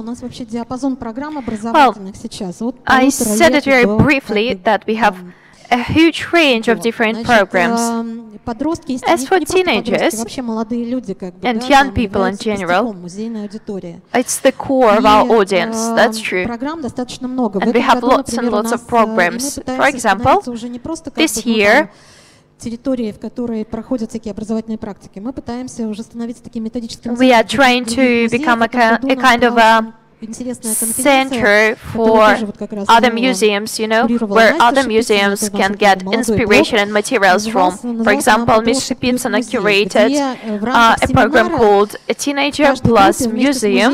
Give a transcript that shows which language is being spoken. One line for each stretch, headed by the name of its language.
English: Well, I said it very briefly that we have a huge range of different programs. As for teenagers and young people in general, it's the core of our audience, that's true. And we have lots and lots of programs. For example, this year,
Russian: территории, в которой проходят такие образовательные практики, мы пытаемся уже становиться таким методическим.
English: We are trying to become a kind of a center for other museums, you know, where other museums can get inspiration and materials from. For example, Mr. Pinson curated a program called A Teenager Plus Museum.